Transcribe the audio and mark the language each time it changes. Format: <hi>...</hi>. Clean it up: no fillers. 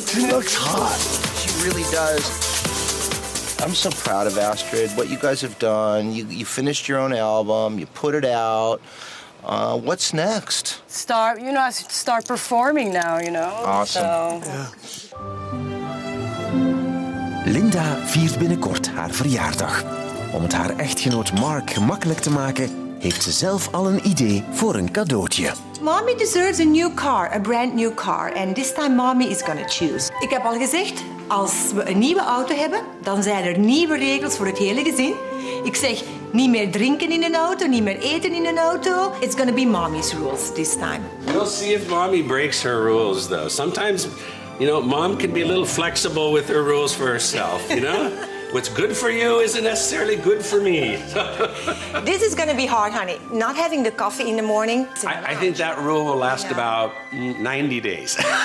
<en>She looks hot. She really does. I'm so proud of Astrid, what you guys have done. You finished your own album, you put it out. What's next? Start, you know, I start performing now, you know. Awesome. So. Yeah.</en> <nl>Linda viert binnenkort haar verjaardag. Om het haar echtgenoot Mark gemakkelijk te maken, heeft ze zelf al een idee voor een cadeautje.</nl> <en>Mommy deserves a new car, a brand new car. And this time mommy is gonna choose.</en> <nl>Ik heb al gezegd, als we een nieuwe auto hebben, dan zijn er nieuwe regels voor het hele gezin. Ik zeg, niet meer drinken in een auto, niet meer eten in een auto.</nl> <en>It's gonna be mommy's rules this time. We'll see if mommy breaks her rules, though. Sometimes, you know, mom can be a little flexible with her rules for herself, you know? What's good for you isn't necessarily good for me. This is going to be hard, honey. Not having the coffee in the morning. I think that rule will last about 90 days.</en>